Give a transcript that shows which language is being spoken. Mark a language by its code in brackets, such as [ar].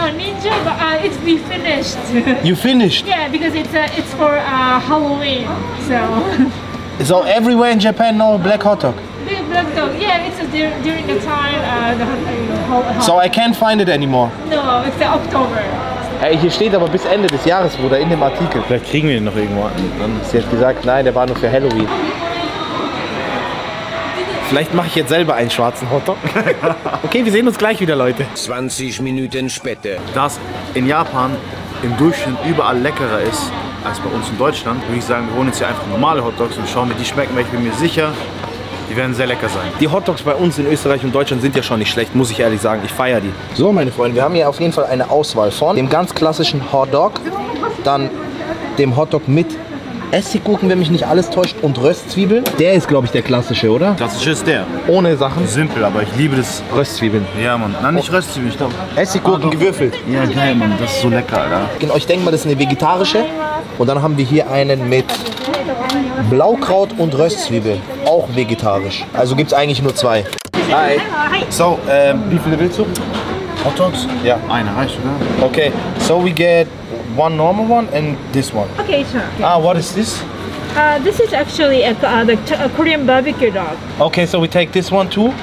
[en] Ninja, but it's be finished. You finished? Yeah, because it's for Halloween, so. So everywhere in Japan, no black hot dog? Black dog, yeah, it's during the time, So I can't find it anymore? No, it's October. [de] Hey, hier steht aber bis Ende des Jahres, Bruder, in dem Artikel. Vielleicht kriegen wir ihn noch irgendwo an. Sie hat gesagt, nein, der war nur für Halloween. Vielleicht mache ich jetzt selber einen schwarzen Hotdog. Okay, wir sehen uns gleich wieder, Leute. 20 Minuten später. Dass in Japan im Durchschnitt überall leckerer ist als bei uns in Deutschland, würde ich sagen, wir holen jetzt hier einfach normale Hotdogs und schauen, wie die schmecken, weil ich bin mir sicher, die werden sehr lecker sein. Die Hotdogs bei uns in Österreich und Deutschland sind ja schon nicht schlecht, muss ich ehrlich sagen. Ich feiere die. So, meine Freunde, wir haben hier auf jeden Fall eine Auswahl von dem ganz klassischen Hotdog, dann dem Hotdog mit Essiggurken, wenn mich nicht alles täuscht, und Röstzwiebeln. Der ist, glaube ich, der klassische, oder? Klassische ist der. Ohne Sachen. Simpel, aber ich liebe das. Röstzwiebeln. Ja, Mann. Nein, nicht Röstzwiebeln, ich glaube. Essiggurken gewürfelt. Ja, geil, Mann. Das ist so lecker, Alter. Genau, ich denke mal, das ist eine vegetarische. Und dann haben wir hier einen mit Blaukraut und Röstzwiebel, auch vegetarisch. Also gibt es eigentlich nur zwei. [en] Hi. [de] So, wie viele willst du? Hot Dogs? Ja. [en] Yeah. [de] Eine reicht, oder? [en] Okay, so we get one normal one and this one. Okay, sure. Ah, what is this? This is actually a Korean barbecue dog. Okay, so we take this one too?